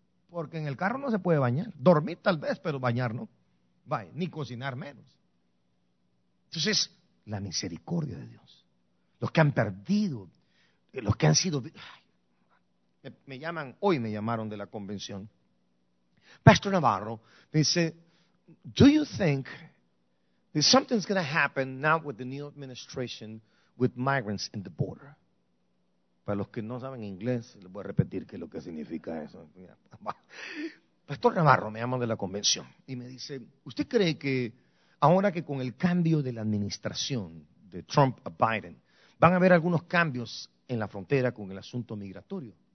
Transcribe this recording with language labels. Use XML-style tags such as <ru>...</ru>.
<es>Porque en el carro no se puede bañar. Dormir tal vez, pero bañar no. Vaya, ni cocinar menos. Entonces, la misericordia de Dios. Los que han perdido, los que han sido... Ay, me llaman, hoy me llamaron de la convención. Pastor Navarro dice,</es> <en>do you think that something's going to happen now with the new administration with migrants in the border?</en> <es>Para los que no saben inglés, les voy a repetir qué es lo que significa eso. Pastor Navarro me llama de la convención y me dice, ¿usted cree que ahora que con el cambio de la administración de Trump a Biden van a haber algunos cambios en la frontera con el asunto migratorio?</es>